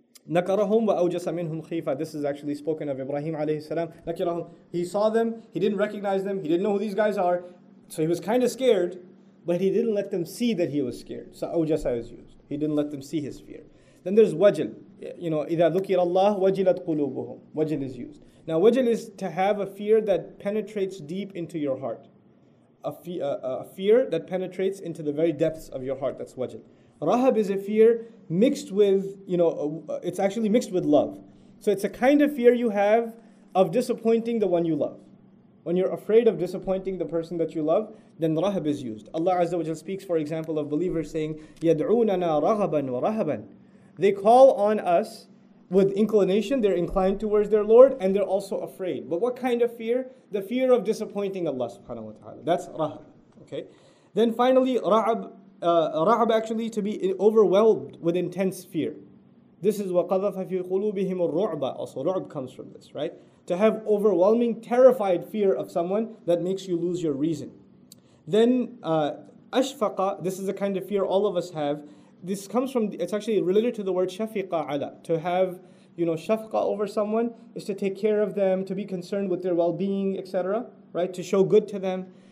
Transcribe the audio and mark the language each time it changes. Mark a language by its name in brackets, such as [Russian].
[English] Nakarahum wa awjasa minhum khifa. This is actually spoken of Ibrahim alayhi salam. Nakarahum. He saw them, he didn't recognize them, he didn't know who these guys are. So he was kind of scared, but he didn't let them see that he was scared. So awjasa is used. He didn't let them see his fear. Then there's wajl. You know, [Arabic] إِذَا ذُكِرَ اللَّهُ وَجِلَتْ قُلُوبُهُمْ. [English] Wajl is used. Now, wajl is to have a fear that penetrates deep into your heart. A fear that penetrates into the very depths of your heart. That's wajl. Rahab is a fear mixed with, you know, it's actually mixed with love. So it's a kind of fear you have of disappointing the one you love. When you're afraid of disappointing the person that you love, then rahab is used. Allah Azza wa Jal speaks, for example, of believers saying, [Arabic] يَدْعُونَنَا رَغَبًا وَرَهَبًا. [English] They call on us with inclination, they're inclined towards their Lord, and they're also afraid. But what kind of fear? The fear of disappointing Allah subhanahu wa ta'ala. That's rahab. Okay? Then finally, rahab actually to be overwhelmed with intense fear. This is [Arabic] وَقَذَفَ فِي قُلُوبِهِمُ الرُّعْبَ. [English] Also, ru'b comes from this, right? To have overwhelming, terrified fear of someone that makes you lose your reason. Then, ashfaqa, this is the kind of fear all of us have. This comes from, it's actually related to the word shafiqa ala. To have, you know, shafqa over someone is to take care of them, to be concerned with their well-being, etc. Right? To show good to them.